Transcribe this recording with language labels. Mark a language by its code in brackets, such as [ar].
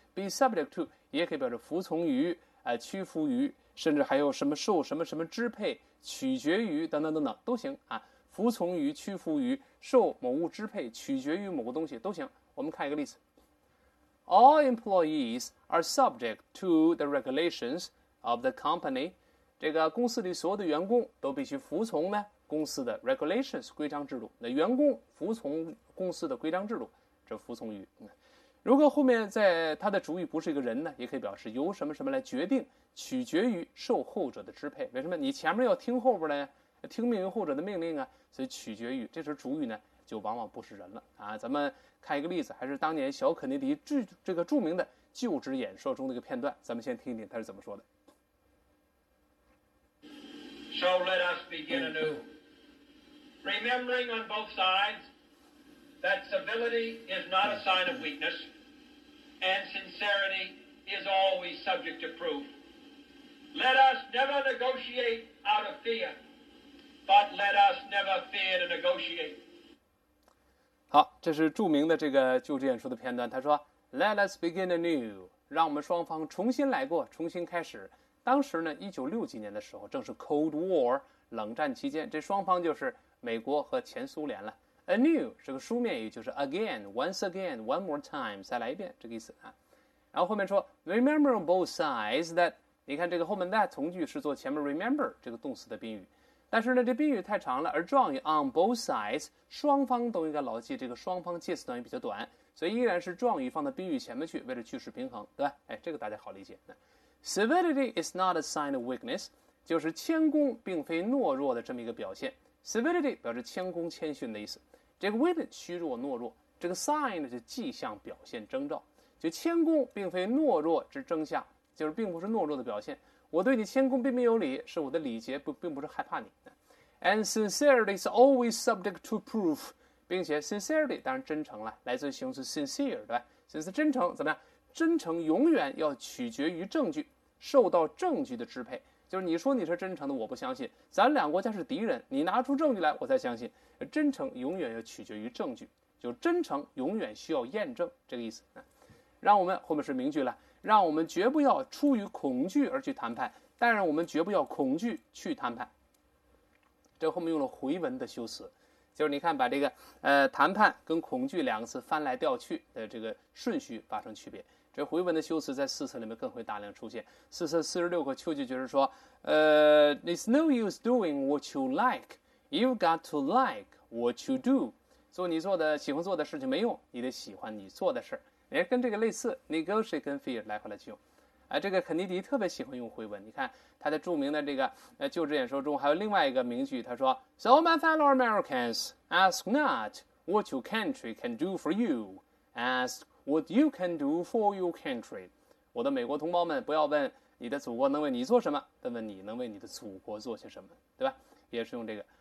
[zh] Be subject to 也可以表示服从于，屈服于，甚至还有什么受什么什么支配、取决于等等等等都行啊。服从于、屈服于、受某物支配、取决于某个东西都行。我们看一个例子 ： [en] All employees are subject to the regulations of the company。 [zh] 这个公司里所有的员工都必须服从呢。公司的 regulations 规章制度，那员工服从公司的规章制度，这服从于，如果后面在他的主语不是一个人呢，也可以表示由什么什么来决定，取决于受后者的支配，为什么？你前面要听后边的，听命于后者的命令啊，所以取决于，这时候主语呢就往往不是人了啊。咱们看一个例子，还是当年小肯尼迪这个著名的就职演说中的一个片段，咱们先听一听他是怎么说的。 [en] So let us begin anew, remembering on both sides that civility is not a sign of weakness, and sincerity is always subject to proof. Let us never negotiate out of fear, but let us never fear to negotiate. [zh] 好，这是著名的这个就职演说的片段，他说 [en] Let us begin anew, [zh] 让我们双方重新来过，重新开始。当时呢，1960年的时候，正是 Cold War 冷战期间，这双方就是美国和前苏联了。 Anew 是个书面语，就是 [en] again, once again, one more time, [zh] 再来一遍这个意思啊。然后后面说 ， [en] remember on both sides that， [zh] 你看这个后面 that 从句是做前面 remember 这个动词的宾语，但是呢，这宾语太长了，而状语 on both sides， 双方都应该牢记这个双方介词短语比较短，所以依然是状语放到宾语前面去，为了句式平衡，对吧？哎，这个大家好理解。 [en] Civility is not a sign of weakness， [zh] 就是谦恭并非懦弱的这么一个表现。 Civility 表示谦恭谦逊的意思，这个 weakness 虚弱懦弱，这个 sign 就迹象表现征兆，就谦恭并非懦弱之征象，就是并不是懦弱的表现。我对你谦恭并没有礼，是我的礼节并不是害怕你。 [en] And sincerity is always subject to proof， [zh] 并且 sincerity 当然真诚了，来自形容词 sincere， 对吧？形容词真诚怎么样？真诚永远要取决于证据，受到证据的支配，就是你说你是真诚的我不相信，咱两国家是敌人，你拿出证据来我才相信，真诚永远要取决于证据，就真诚永远需要验证，这个意思。让我们后面是名句了，让我们绝不要出于恐惧而去谈判，但让我们绝不要恐惧去谈判，这后面用了回文的修辞，就是你看把这个谈判跟恐惧两个词翻来调去的这个顺序发生区别，这回文的修辞在四册里面更会大量出现。四册46课秋季就是说 [en] It's no use doing what you like, you've got to like what you do， [zh] 做你做的喜欢做的事情没用，你得喜欢你做的事，也跟这个类似 negotiate 跟 fear 来回来去用。这个肯尼迪特别喜欢用回文，你看他的著名的这个就职演说中还有另外一个名句，他说 [en] So my fellow Americans, ask not what your country [zh] can do for you, ask what you can do for your country。我的美国同胞们，不要问你的祖国能为你做什么，但问你能为你的祖国做些什么，对吧？也是用这个。